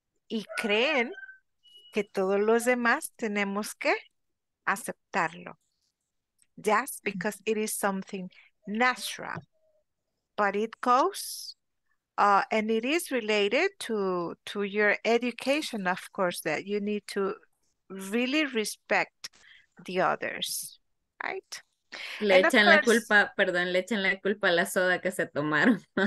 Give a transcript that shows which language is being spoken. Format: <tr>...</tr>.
<es>Y creen que todos los demás tenemos que aceptarlo.</es> <en>Just because it is something natural. But it goes, and it is related to your education, of course, that you need to really respect the others, right?</en> <es>Le echan course, la culpa, perdón, le echan la culpa a la soda que se tomaron.</es>